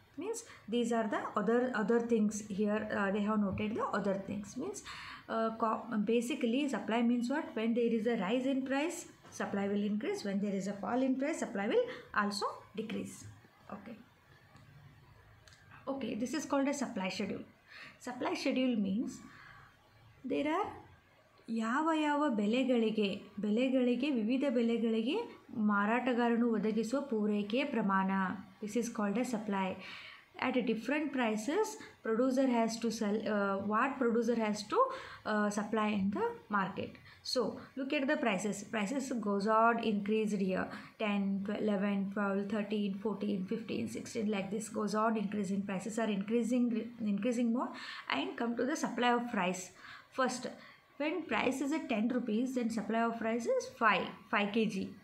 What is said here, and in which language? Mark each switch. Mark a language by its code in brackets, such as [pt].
[en] Means these are the other things here. They have noted the other things. Means basically supply means what? When there is a rise in price, supply will increase. When there is a fall in price, supply will also decrease. Okay, this is called a supply schedule. Supply schedule means there are [kn] ಯಾವ ಯಾವ ಬೆಲೆಗಳಿಗೆ ವಿವಿಧ ಬೆಲೆಗಳಿಗೆ ಮಾರಾಟಗಾರನು ಒದಗಿಸುವ ಪೂರೈಕೆಯ ಪ್ರಮಾಣ, [en] This is called a supply. At different prices producer has to sell, what producer has to supply in the market. So look at the prices. Prices goes on increased year 10, 11, 12, 13, 14, 15, 16, like this goes on increasing. Prices are increasing more. And come to the supply of rice. First when price is at 10 rupees, then supply of rice is 5 kg.